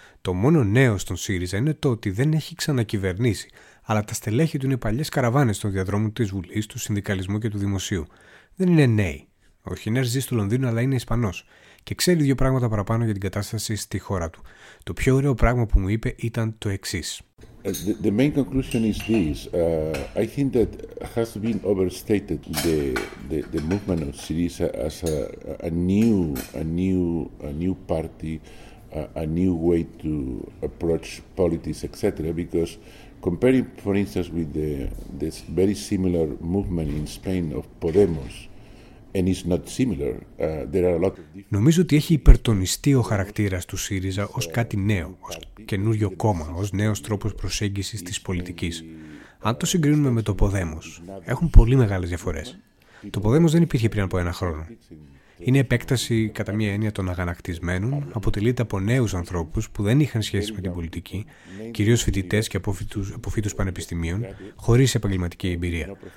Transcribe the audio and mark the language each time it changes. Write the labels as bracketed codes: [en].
[el] Το μόνο νέο στον ΣΥΡΙΖΑ είναι το ότι δεν έχει ξανακυβερνήσει, αλλά τα στελέχη του είναι παλιές καραβάνες στον διαδρόμο της Βουλής, του Συνδικαλισμού και του Δημοσίου. Δεν είναι νέοι. Ο Χινέρ ζει στο Λονδίνο, αλλά είναι Ισπανός και ξέρει 2 πράγματα παραπάνω για την κατάσταση στη χώρα του. Το πιο ωραίο πράγμα που μου είπε ήταν το εξής. [en] The main conclusion is this. I think that has been overstated the movement of Syriza as a new party, a new way to approach politics, etc. Because comparing, for instance, with this very similar movement in Spain of Podemos, and it's not similar. There are a lot of different. [el] Νομίζω ότι έχει υπερτονιστεί ο χαρακτήρας του ΣΥΡΙΖΑ ως κάτι νέο, ως καινούριο κόμμα, ως νέος τρόπος προσέγγισης της πολιτικής. Αν το συγκρίνουμε με το Podemos, έχουν πολύ μεγάλες διαφορές. Το Podemos δεν υπήρχε πριν από ένα χρόνο. Είναι επέκταση κατά μία έννοια των αγανακτισμένων, αποτελείται από νέους ανθρώπους που δεν είχαν σχέση με την πολιτική, κυρίως φοιτητές και αποφύτους πανεπιστημίων, χωρίς επαγγελματική εμπειρία.